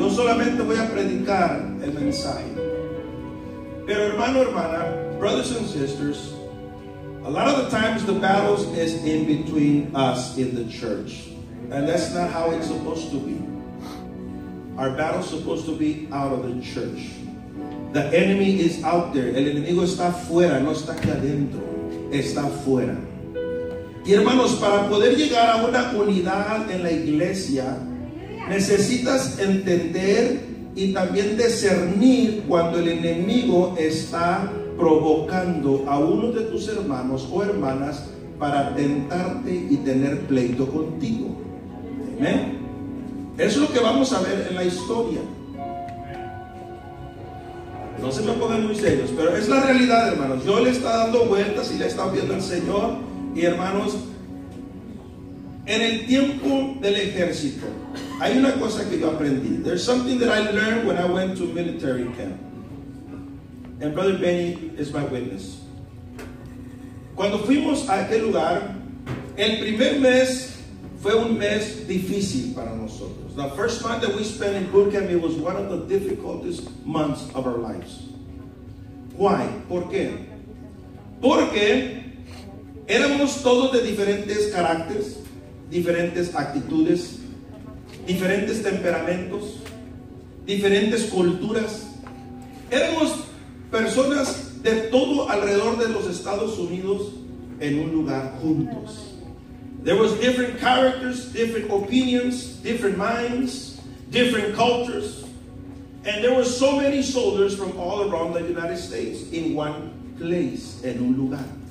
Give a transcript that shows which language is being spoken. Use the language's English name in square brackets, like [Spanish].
[Spanish] Yo solamente voy a predicar el mensaje. Pero hermano, hermana, [English] brothers and sisters, a lot of the times the battles is in between us in the church. And that's not how it's supposed to be. Our battle is supposed to be out of the church. The enemy is out there. [Spanish] El enemigo está afuera, no está aquí adentro. Está afuera. Y hermanos, para poder llegar a una unidad en la iglesia, necesitas entender y también discernir cuando el enemigo está provocando a uno de tus hermanos o hermanas para tentarte y tener pleito contigo. Amén. Es lo que vamos a ver en la historia. No se me pongan muy serios, pero es la realidad, hermanos. Yo le estoy dando vueltas y le estoy viendo al Señor. Y hermanos, en el tiempo del ejército, hay una cosa que yo aprendí. [English] There's something that I learned when I went to military camp. And Brother Benny is my witness. [Spanish] Cuando fuimos a aquel lugar, el primer mes fue un mes difícil para nosotros. [English] The first month that we spent in boot camp, it was one of the difficultest months of our lives. Why? [Spanish] ¿Por qué? Porque éramos todos de diferentes caracteres, diferentes actitudes, diferentes temperamentos, diferentes culturas. Éramos personas de todo alrededor de los Estados Unidos en un lugar juntos. [English] There was different characters, different opinions, different minds, different cultures. And there were so many soldiers from all around the United States in one place, [Spanish] en un lugar.